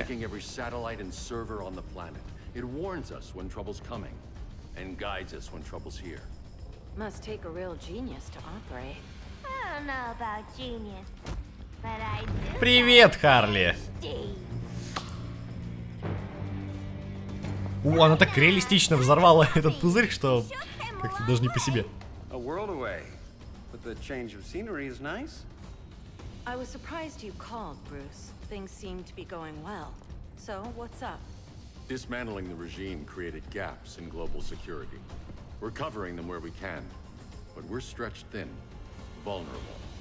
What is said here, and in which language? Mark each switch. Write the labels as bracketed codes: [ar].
[en] Looking every satellite and server on the planet. It warns us when trouble's coming and guides us when trouble's here. Must take a real genius to operate. I don't know about genius, but I do. [ru] Привет, Харли. О, она так реалистично взорвала этот пузырь, что как-то даже не по себе. [en] A world away, but the change of scenery is nice. I was surprised you called, Bruce. Things seem to be going well. So, what's up? Dismantling the regime created gaps in global security. We're covering them where we can, but we're stretched thin, vulnerable.